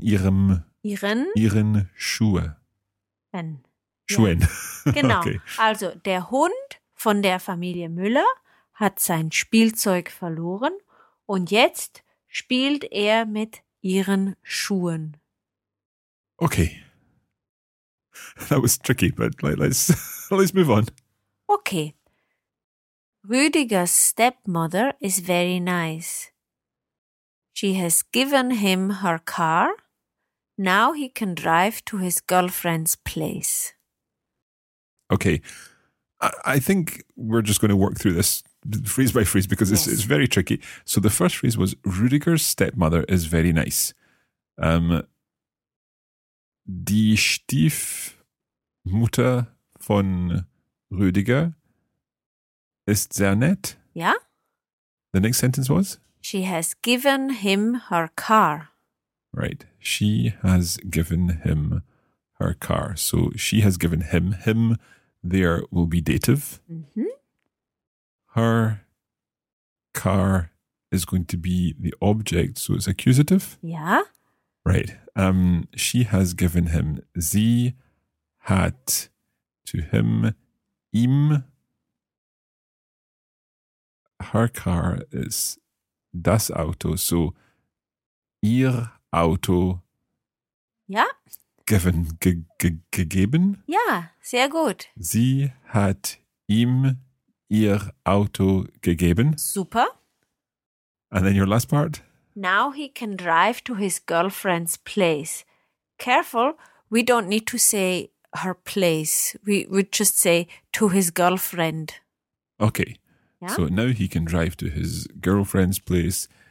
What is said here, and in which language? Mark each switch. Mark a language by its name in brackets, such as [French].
[German] Ihren Schuhen. Wenn. Schwen. Genau. Okay. Also der Hund von der Familie Müller hat sein Spielzeug verloren und jetzt spielt er mit ihren Schuhen. [English] Okay. That was tricky, but let's move on. Okay. Rüdiger's stepmother is very nice. She has given him her car. Now he can drive to his girlfriend's place. Okay. I think we're just going to work through this phrase by phrase because it's very tricky. So the first phrase was Rüdiger's stepmother is very nice. [German] Die Stiefmutter von Rüdiger ist sehr nett. Ja. [English] The next sentence was? She has given him her car. Right. She has given him her car. So she has given him. Him there will be dative. Mm-hmm. Her car is going to be the object. So it's accusative. Yeah. Right. She has given him. [German] Sie hat [English] to him. Ihm. Her car is [German] das Auto. [English] So [German] ihr Auto. Ja. [English] Given, gegeben. [German] Ja, sehr gut. Sie hat ihm ihr Auto gegeben. Super. [English] And then your last part. Now he can drive to his girlfriend's place. Careful, we don't need to say her place. We just say to his girlfriend. Okay. Yeah? So now he can drive to his girlfriend's place.